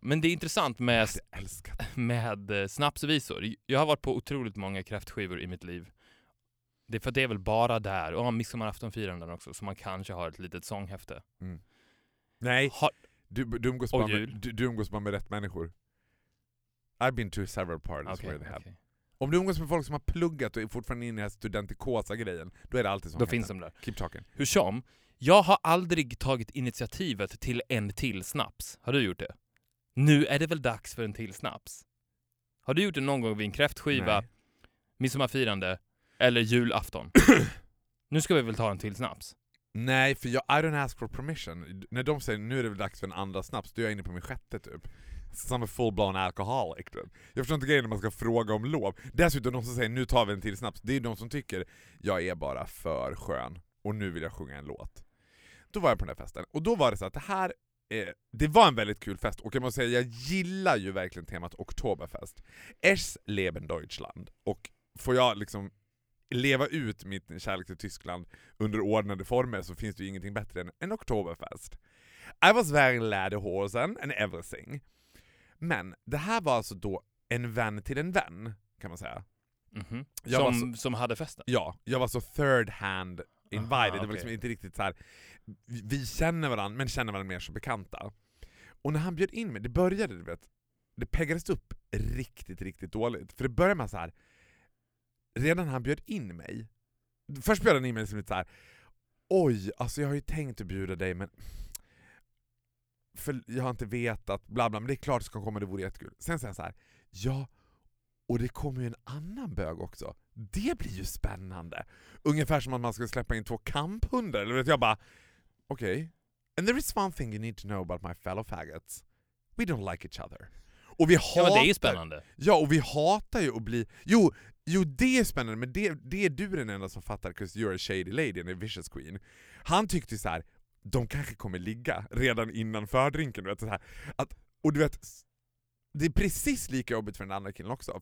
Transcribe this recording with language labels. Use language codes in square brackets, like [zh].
[sv] Men det är intressant med snapsvisor. Jag har varit på otroligt många kräftskivor i mitt liv. Det, för det är väl bara där. Och midsommaraftonfirandet också. Så man kanske har ett litet sånghäfte. Mm. Nej, du umgås bara med rätt människor. [en] I've been to several parties where they have. [sv] Om du umgås med folk som har pluggat och är fortfarande inne i den här studentikosa grejen, då är det alltid så. Då finns de där. [en] Keep talking. [sv] Hur som, jag har aldrig tagit initiativet till en till snaps. Har du gjort det? Nu är det väl dags för en till snaps. Har du gjort det någon gång vid en kräftskiva, midsommarfirande eller julafton? Nu ska vi väl ta en till snaps. Nej, för jag, [en] I don't ask for permission. [sv] När de säger nu är det väl dags för en andra snaps, då är jag inne på min sjätte typ. Som en [en] full-blown alkoholic. [sv] Jag förstår inte grejen när man ska fråga om lov. Dessutom de som säger, nu tar vi en till snaps. Det är de som tycker, jag är bara för skön. Och nu vill jag sjunga en låt. Då var jag på den här festen. Och då var det så att det här, det var en väldigt kul fest. Och jag måste säga, jag gillar ju verkligen temat Oktoberfest. [de] Es Leben Deutschland. [sv] Och får jag liksom leva ut mitt kärlek till Tyskland under ordnade former, så finns det ju ingenting bättre än en oktoberfest. [en] I was wearing lederhosen and everything. [sv] Men det här var alltså då en vän till en vän, kan man säga. Mm-hmm. Jag som hade festen? Ja, jag var så [en] third hand invited. [sv] Aha, det var okay. Liksom inte riktigt så här. Vi känner varandra, men känner varandra mer som bekanta. Och när han bjöd in mig, det började, du vet, det peggades upp riktigt, riktigt dåligt. För det började med så här. Redan han bjöd in mig. Först bjöd han in mig liksom lite så här. Oj, alltså jag har ju tänkt att bjuda dig, men för jag har inte vetat, bla bla, men det är klart att det ska komma, det vore jättekul. Sen säger han så här, ja, och det kommer ju en annan bög också. Det blir ju spännande. Ungefär som att man ska släppa in två kamphundar. Eller vet jag bara, okej. Okay. [en] And there is one thing you need to know about my fellow faggots. [sv] We don't like each other. Och vi hatar, ja, men det är ju spännande. Ja, och vi hatar ju att bli... Jo, det är spännande, men det är du den enda som fattar, [en] because you're a shady lady and a vicious queen. [sv] Han tyckte så här, de kanske kommer ligga redan innan fördrinken. Du vet, så här, att, och du vet, det är precis lika jobbigt för den andra killen också.